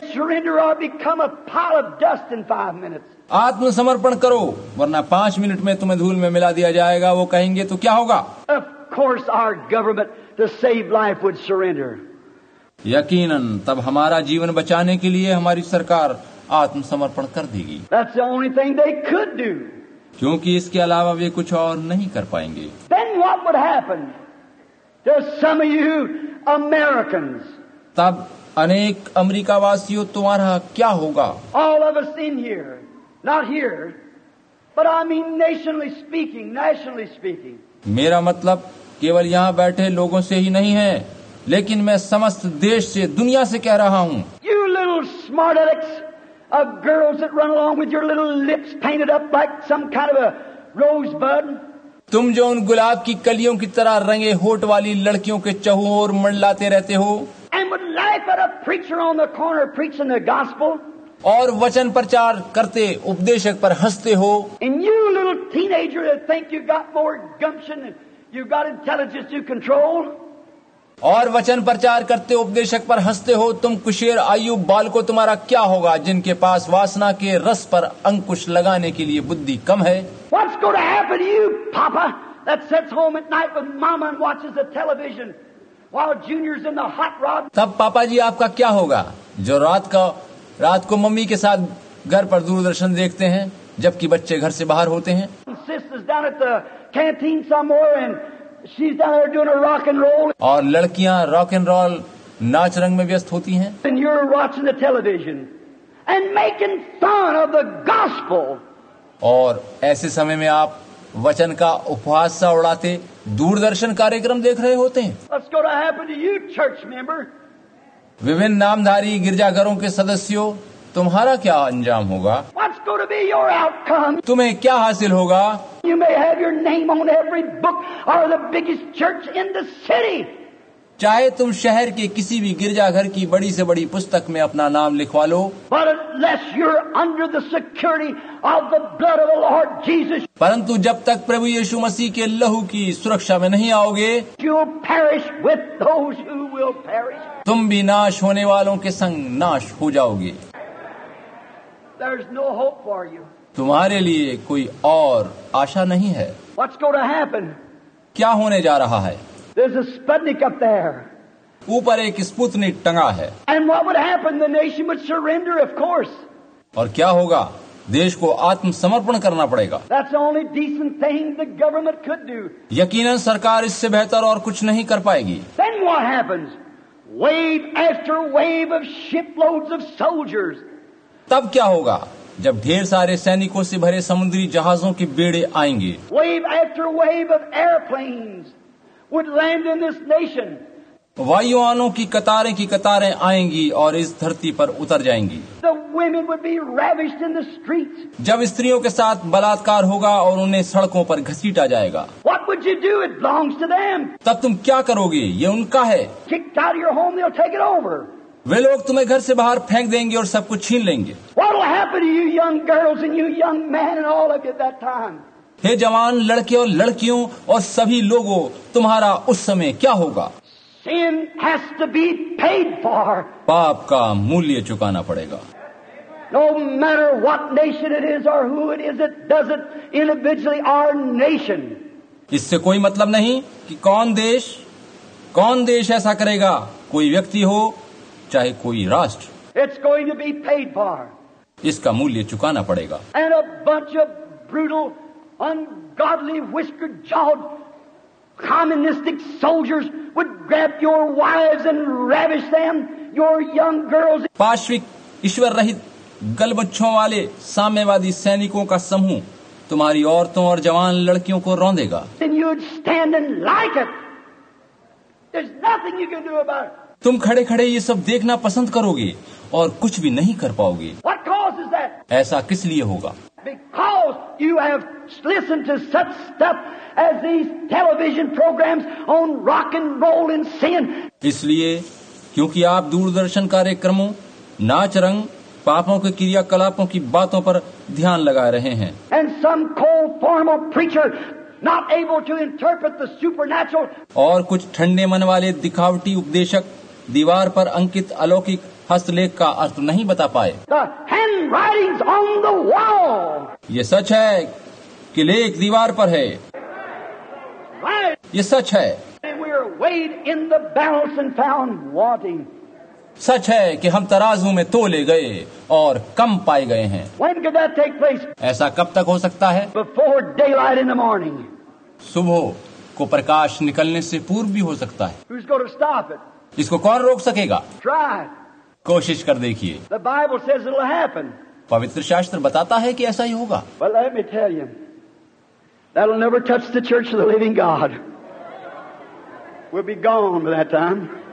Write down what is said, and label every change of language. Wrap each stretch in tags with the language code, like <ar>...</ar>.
<en>Surrender or become a pile of dust in 5 minutes.</en> <hi>आत्मसमर्पण करो वरना 5 मिनट में तुम्हें धूल में मिला दिया जाएगा, वो कहेंगे तो क्या होगा?</hi> <en>Of course our government to save life would surrender.</en> <hi>यकीनन तब हमारा जीवन बचाने के लिए हमारी सरकार आत्मसमर्पण कर देगी।</hi> <en>That's the only thing they could do.</en> <hi>क्योंकि इसके अलावा वे कुछ और नहीं कर पाएंगे।</hi> <en>Then what would happen to some of you Americans?</en> <hi>तब अनेक अमेरिका वासियों तुम्हारा क्या होगा?</hi> <en>All of us in here. Not here, but I mean nationally speaking.</en> <hi>मेरा मतलब केवल यहाँ बैठे लोगों से ही नहीं है, लेकिन मैं समस्त देश से, दुनिया से कह रहा हूँ।</hi> <en>You little smart alecks of girls that run along with your little lips painted up like some kind of a rosebud.</en> <hi>तुम जो उन गुलाब की कलियों की तरह रंगे होट वाली लड़कियों के चहुओं और मंडलाते रहते हो।</hi> <en>And would laugh at a preacher on the corner preaching the gospel.</en> <hi>और वचन प्रचार करते उपदेशक पर हंसते हो।</hi> <en>And you little teenager that think you got more gumption and you got intelligence to control.</en> <hi>और वचन प्रचार करते उपदेशक पर हंसते हो, तुम कुशेर आयु बालको तुम्हारा क्या होगा जिनके पास वासना के रस पर अंकुश लगाने के लिए बुद्धि कम है?</hi> <en>What's going to happen to you, Papa, that sits home at night with Mama and watches the television while Junior's in the hot rod?</en> <hi>तब पापा जी आपका क्या होगा जो रात को मम्मी के साथ घर पर दूरदर्शन देखते हैं जबकि बच्चे घर से बाहर होते हैं?</hi> <en>Sister's down at the canteen somewhere and she's down there doing a rock and roll.</en> <hi>और लड़कियां रॉक एंड रोल नाच रंग में व्यस्त होती हैं।</hi> <en>And you're watching the television and making fun of the gospel.</en> <hi>और ऐसे समय में आप वचन का उपहास सा उड़ाते दूरदर्शन कार्यक्रम देख रहे होते हैं।</hi> <en>What's going to happen to you, church member?</en> <hi>विभिन्न नामधारी गिरजाघरों के सदस्यों, तुम्हारा क्या अंजाम होगा?</hi> <en>What's going to be your outcome?</en> <hi>तुम्हें क्या हासिल होगा?</hi> <en>You may have your name on every book or the biggest church in the city.</en> <hi>चाहे तुम शहर के किसी भी गिरजाघर की बड़ी से बड़ी पुस्तक में अपना नाम लिखवा लो,</hi> <en>but unless you're under the security of the blood of the Lord Jesus,</en> <hi>परंतु जब तक प्रभु यीशु मसीह के लहू की सुरक्षा में नहीं आओगे,</hi> <en>you'll perish with those who will perish.</en> <hi>तुम भी नाश होने वालों के संग नाश हो जाओगे।</hi> <en>There's no hope for you.</en> <hi>तुम्हारे लिए कोई और आशा नहीं है।</hi> <en>What's going to happen?</en> <hi>क्या होने जा रहा है?</hi> <en>There's a Sputnik up there.</en> <hi>ऊपर एक स्पुतनिक टंगा है।</hi> <en>And what would happen? The nation would surrender, of course.</en> <hi>और क्या होगा? देश को आत्मसमर्पण करना पड़ेगा।</hi> <en>That's the only decent thing the government could do.</en> <hi>यकीनन सरकार इससे बेहतर और कुछ नहीं कर पाएगी।</hi> <en>Then what happens? Wave after wave of shiploads of soldiers.</en> <hi>तब क्या होगा? जब ढेर सारे सैनिकों से भरे समुद्री जहाजों के बेड़े आएंगे।</hi> <en>Wave after wave of airplanes. Would land in this nation.</en> <hi>वायुयानों की कतारें आएंगी और इस धरती पर उतर जाएंगी।</hi> <en>The women would be ravished in the streets.</en> <hi>जब स्त्रियों के साथ बलात्कार होगा और उन्हें सड़कों पर घसीटा जाएगा।</hi> <en>What would you do? It belongs to them.</en> <hi>तब तुम क्या करोगे? ये उनका है।</hi> <en>Kicked out of your home, they'll take it over.</en> <hi>वे लोग तुम्हें घर से बाहर फेंक देंगे और सब कुछ छीन लेंगे।</hi> <en>What will happen to you young girls and you young men and all of you at that time?</en> <hi>हे जवान लड़के और लड़कियों और सभी लोगों, तुम्हारा उस समय क्या होगा?</hi> <en>Sin has to be paid for.</en> <hi>पाप का मूल्य चुकाना पड़ेगा।</hi> <en>No matter what nation it is or who it does it individually our nation.</en> <hi>इससे कोई मतलब नहीं कि कौन देश ऐसा करेगा, कोई व्यक्ति हो चाहे कोई राष्ट्र।</hi> <en>It's going to be paid for.</en> <hi>इसका मूल्य चुकाना पड़ेगा।</hi> <en>And a bunch of brutal ungodly, whiskered-jawed, communistic soldiers would grab your wives and ravish them, your young girls.</en> <hi>पार्श्विक ईश्वर रहित गल बच्चों वाले साम्यवादी सैनिकों का समूह तुम्हारी औरतों और जवान लड़कियों को रौंदेगा।</hi> <en>Then you'd stand and like it. There's nothing you can do about it.</en> <hi>तुम खड़े खड़े ये सब देखना पसंद करोगे और कुछ भी नहीं कर पाओगे।</hi> <en>What cause is that?</en> <hi>ऐसा किस लिए होगा?</hi> <en>Because you have listened to such stuff as these television programs on rock and roll and sin.</en> <hi>इसलिए क्योंकि आप दूरदर्शन कार्यक्रमों, नाच रंग, पापों के क्रियाकलापों की बातों पर ध्यान लगा रहे हैं।</hi> <en>And some cold form of preacher not able to interpret the supernatural.</en> <hi>और कुछ ठंडे मन वाले दिखावटी उपदेशक दीवार पर अंकित अलौकिक हस्तलेख का अर्थ नहीं बता पाए।</hi> <en>The handwriting's on the wall.</en> <hi>ये सच है कि लेख दीवार पर है।</hi> <en>Right.</en> <hi>ये सच है।</hi> <en>And we are weighed in the balance and found wanting.</en> <hi>सच है कि हम तराजू में तोले गए और कम पाए गए हैं।</hi> <en>When could that take place?</en> <hi>ऐसा कब तक हो सकता है?</hi> <en>Before daylight in the morning.</en> <hi>सुबह को प्रकाश निकलने से पूर्व भी हो सकता है।</hi> <en>Who's going to stop it?</en> <hi>इसको कौन रोक सकेगा?</hi> <en>Try.</en> <hi>कोशिश कर देखिए।</hi> <en>The Bible says it'll happen.</en> <hi>पवित्र शास्त्र बताता है कि ऐसा ही होगा।</hi> <en>But let me tell you, that'll never touch the church of the living God. We'll be gone by that time.</en>